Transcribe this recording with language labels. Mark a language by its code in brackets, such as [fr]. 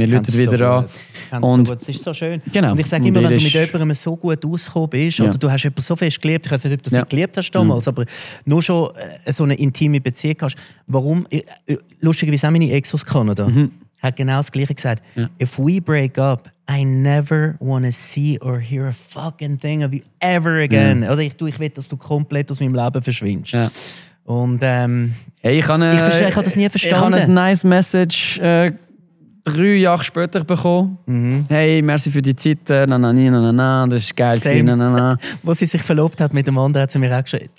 [de] Wir rufen wieder an. Und es ist so schön. Genau. Und ich sage immer, wenn du mit jemandem so gut auskommen bist oder du hast jemanden so fest geliebt, ich weiß nicht, ob du sie geliebt hast damals, aber nur schon so eine intime Beziehung hast. Warum? Lustigerweise auch meine Ex aus Kanada hat genau das Gleiche gesagt. Ja. [en] If we break up, I never want to see or hear a fucking thing of you ever again. [de] Ja. Oder ich will, dass du komplett aus meinem Leben verschwindest. Ja. Und ich habe das nie verstanden. Ich habe ein nice Message 3 Jahre später bekommen. Mhm. Hey, merci für die Zeit. Das ist geil. Wo sie sich verlobt hat mit dem anderen, hat sie mir auch geschrieben.